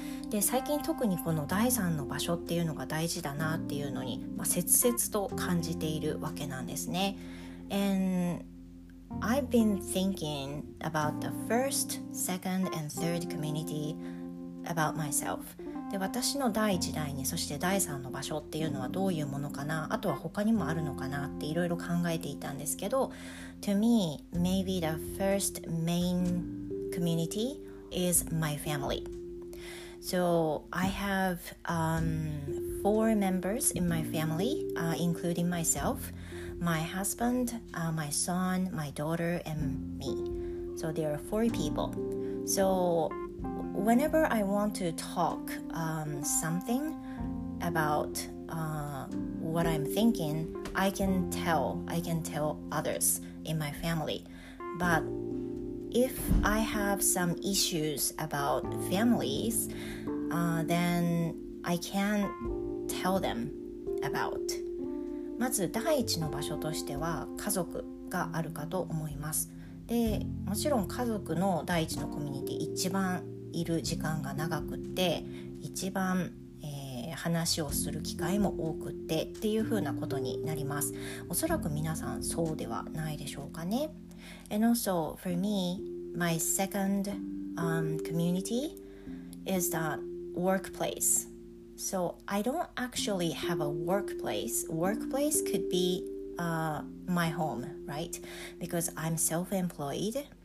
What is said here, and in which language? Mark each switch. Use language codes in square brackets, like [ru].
[ja] で最近特にこの第三の場所っていうのが大事だなっていうのに、まあ、切々と感じているわけなんですね。 [en] And I've been thinking about the first, second, and third community about myself. [ja] で私の第一代にそして第三の場所っていうのはどういうものかな、あとは他にもあるのかなっていろいろ考えていたんですけど、 [en] To me, maybe the first main community is my family. So I have four members in my family, including myself, my husband, my son, my daughter, and me. So there are four people. So whenever I want to talk something about what I'm thinking, I can tell others in my family. But if I have some issues about families,then I can't tell them about. [ja] まず第一の場所としては家族があるかと思います。で、もちろん家族の第一のコミュニティ一番いる時間が長くて、一番、話をする機会も多くてっていうふうなことになります。おそらく皆さんそうではないでしょうかね。 [en] And also for me, my second, community is thatworkplace. So I don't actually have a workplace. Workplace could be my home, right? Because I'm self-employed.